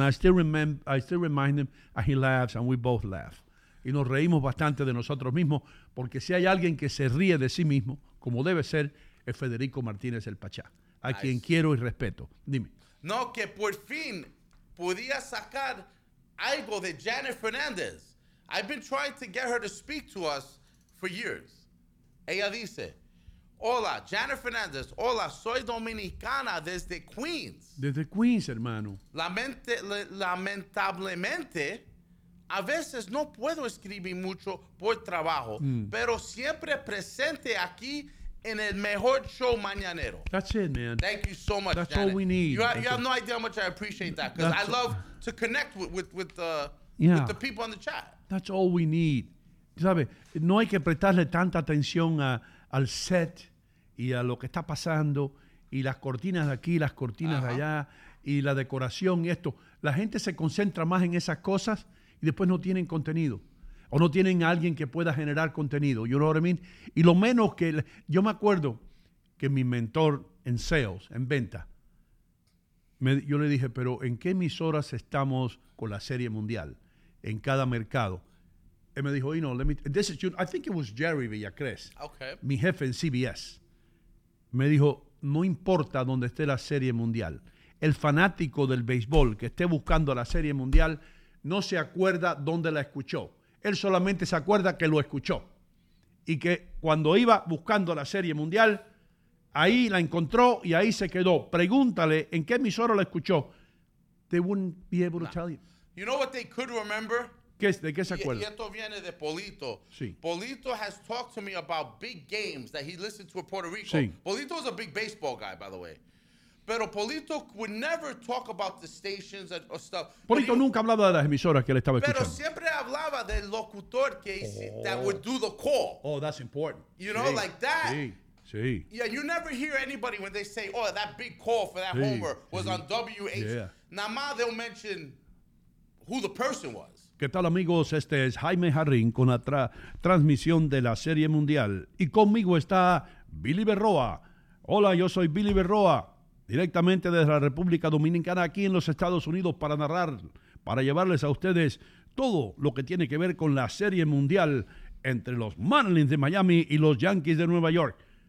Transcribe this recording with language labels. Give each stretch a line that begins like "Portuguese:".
English: I still remind him, and he laughs, and we both laugh.
Spanish: Y nos reímos bastante de nosotros mismos, porque si hay alguien que se ríe de sí mismo, como debe ser, es Federico Martínez el Pachá, a I quien see. Quiero y respeto. Dime. No, que por fin podía sacar... algo de Janet Fernandez.
English: I've been trying to get her to speak to us for years.
Spanish: Ella dice, hola, Janet Fernandez. Hola, soy dominicana desde Queens. Desde Queens, hermano. Lamentablemente, a veces no puedo escribir mucho por trabajo, pero siempre presente aquí en el mejor show mañanero.
English: That's it, man. Thank you so much, that's Janet. All we need. You have no idea how much I appreciate that, because I love... to connect with the people on the chat. That's all we need.
Spanish: ¿Sabe? No hay que prestarle tanta atención al set y a lo que está pasando y las cortinas de aquí, las cortinas de allá y la decoración y esto. La gente se concentra más en esas cosas y después no tienen contenido. O no tienen a alguien que pueda generar contenido.
English: You know what I mean?
Spanish: Y lo menos que... Yo me acuerdo que mi mentor en sales, en venta, yo le dije, pero ¿en qué emisoras estamos con la serie mundial? En cada mercado. Y me dijo, Ino,
English: let me... This is, I think it was Jerry Villacrés. Okay.
Spanish: Mi jefe en CBS. Me dijo, no importa dónde esté la serie mundial. El fanático del béisbol que esté buscando la serie mundial no se acuerda dónde la escuchó. Él solamente se acuerda que lo escuchó. Y que cuando iba buscando la serie mundial, ahí la encontró y ahí se quedó. Pregúntale en qué emisora la escuchó.
English: They wouldn't be able to tell you. You know what they could remember?
Spanish: ¿De qué se acuerda? Y esto viene de Polito. Sí.
English: Polito has talked to me about big games that he listened to in Puerto Rico.
Spanish: Sí.
English: Polito is a big baseball guy, by the way. Pero Polito would never talk about the stations or stuff.
Spanish: Polito nunca hablaba de las emisoras que le estaba escuchando. Pero siempre hablaba del locutor que
English: that would do the call. Oh, that's important. You know,
Spanish: sí.
English: Like that.
Spanish: Sí. Sí.
English: Yeah, you never hear anybody when they say, oh, that big call for that homer was on WH. Yeah.
Spanish: Nada más
English: they'll mention who the person was.
Spanish: ¿Qué tal, amigos? Este es Jaime Jarrín con la transmisión de la Serie Mundial. Y conmigo está Billy Berroa. Hola, yo soy Billy Berroa. Directamente desde la República Dominicana, aquí en los Estados Unidos, para narrar, para llevarles a ustedes todo lo que tiene que ver con la Serie Mundial entre los Marlins de Miami y los Yankees de Nueva York.